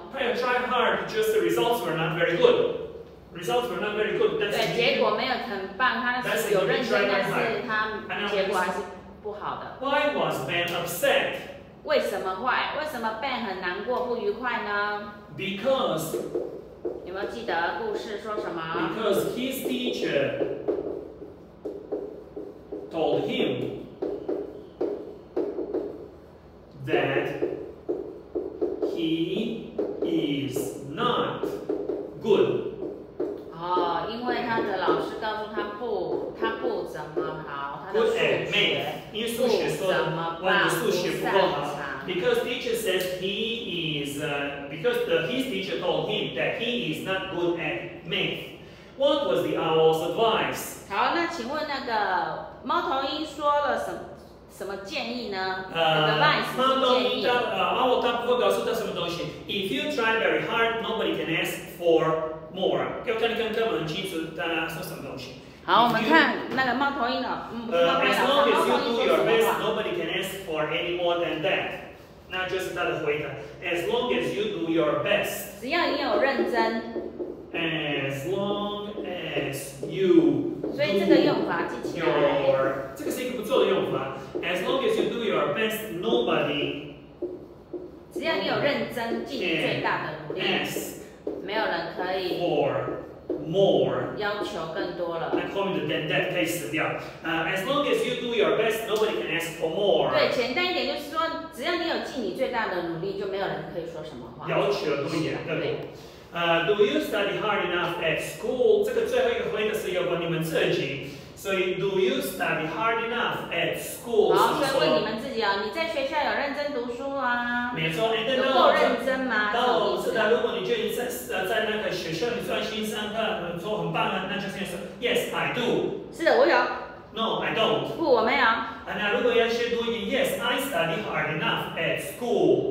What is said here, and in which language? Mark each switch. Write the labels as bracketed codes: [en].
[zh] 他有 [en] try hard， just the results were not very good。 Results were not very good， [zh] 但是结果没有很棒。他是有认真，但是他结果还是。不好的。 [en] Why was Ben upset? [zh] 为什么坏？为什么 Ben 很难过、不愉快呢 [en] ？Because [zh] 有没有记得故事说什么 [en] ？Because his teacher told him that he is not good. [zh] 哦，因为他的老师告诉他不，他不怎么好，他的数学。因为数学说的，我的数学不够好。 [en] Because teacher says he is, because the his teacher told him that he is not good at math. What was the owl's advice? [zh] 好，那请问那个猫头鹰说了什么建议呢？猫头鹰owl 他不会告诉他什么东西。 [en] If you try very hard, nobody can ask for more. [zh] 要看你看课本清楚他说什么东西。好，我们看那个猫头鹰的， [en] As long as you do your best, nobody can ask for any more than that. [zh] 那就是他的回答。 [en] As long as you do your best. [zh] 只要你有认真。 [en] As long as you. [zh] 所以这个用法记起来。这个是一个不错的用法。 [en] As long as you do your best, nobody. [zh] 只要你有认真，尽你最大的努力。 [en] Ask. [zh] 没有人可以。 [en] For. More [zh] 要求更多了。那后面的 than that 可以死掉。 [en] As long as you do your best, nobody can ask for more。 [zh] 对，简单一点就是说，只要你有尽你最大的努力，就没有人可以说什么话。要求多一点，对不对？ [en] Do you study hard enough at school？ [zh] 这个最后一个回答是要问你们自己。 [en] 所以 ，Do you study hard enough at school？ [zh] 好，所以问你们自己哦，你在学校有认真读书吗？没错，有够认真吗？当我知道，如果你觉得你在那个学校你专心上课，说很棒啊，那就先说 [en] Yes, I do。 [zh] 是的，我有。 [en] No, I don't。 [zh] 不，我没有。那如果要先读一点 [en] Yes, I study hard enough at school。